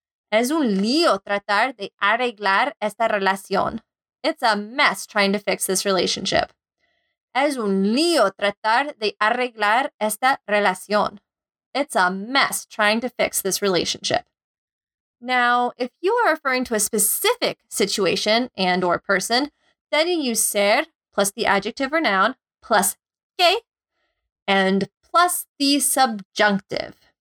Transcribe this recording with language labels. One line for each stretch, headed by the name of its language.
Spanish: Es un lío tratar de arreglar esta relación.
English: It's a mess trying to fix this relationship.
Spanish: Es un lío tratar de arreglar esta relación.
English: It's a mess trying to fix this relationship. Now, if you are referring to a specific situation and or person, then you use ser plus the adjective or noun plus que and plus the subjunctive.